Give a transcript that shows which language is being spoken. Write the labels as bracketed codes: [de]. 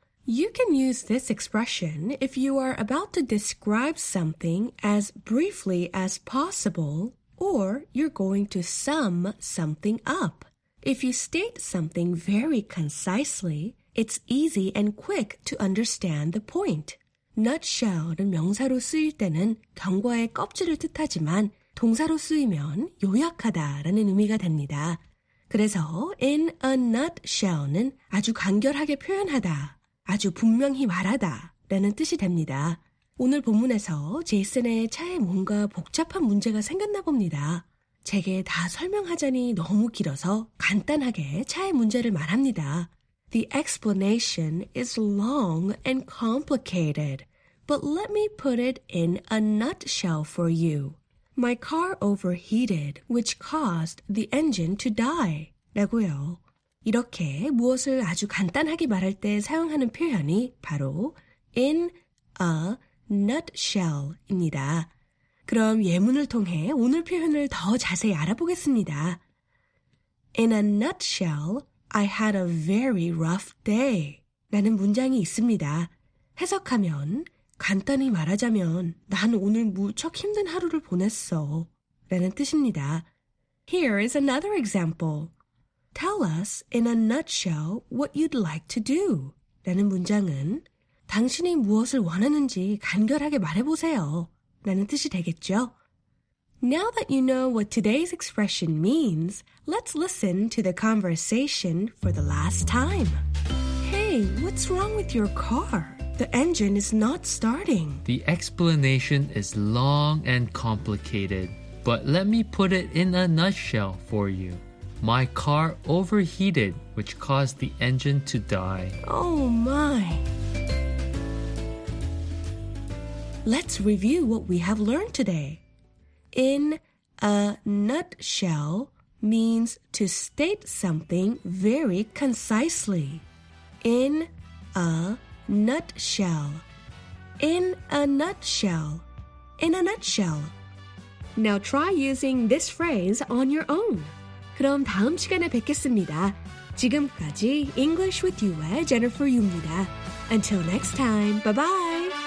[en] You can use this expression if you are about to describe something as briefly as possible or you're going to sum something up. If you state something very concisely, it's easy and quick to understand the point. [ko] Nutshell은 명사로 쓰일 때는 경과의 껍질을 뜻하지만 동사로 쓰이면 요약하다라는 의미가 됩니다. 그래서 in a nutshell는 아주 간결하게 표현하다, 아주 분명히 말하다라는 뜻이 됩니다. 오늘 본문에서 제이슨의 차에 뭔가 복잡한 문제가 생겼나 봅니다. 제게 다 설명하자니 너무 길어서 간단하게 차의 문제를 말합니다. [en] The explanation is long and complicated, but let me put it in a nutshell for you. My car overheated, which caused the engine to die. [ko] 라고요. 이렇게 무엇을 아주 간단하게 말할 때 사용하는 표현이 바로 in a nutshell입니다. 그럼 예문을 통해 오늘 표현을 더 자세히 알아보겠습니다. [en] In a nutshell, I had a very rough day. [ko] 라는 문장이 있습니다. 해석하면, 간단히 말하자면, 난 오늘 무척 힘든 하루를 보냈어. 라는 뜻입니다. [en] Here is another example. Tell us in a nutshell what you'd like to do. [ko] 라는 문장은, 당신이 무엇을 원하는지 간결하게 말해보세요. 라는 뜻이 되겠죠? [en] Now that you know what today's expression means, let's listen to the conversation for the last time. Hey, what's wrong with your car? The engine is not starting. The explanation is long and complicated, but let me put it in a nutshell for you. My car overheated, which caused the engine to die. Oh my! Let's review what we have learned today. In a nutshell means to state something very concisely. In a nutshell. In a nutshell. In a nutshell. Now try using this phrase on your own. [ko] 그럼 다음 시간에 뵙겠습니다. 지금까지 English with You의 Jennifer Yu입니다. [en] Until next time, bye-bye!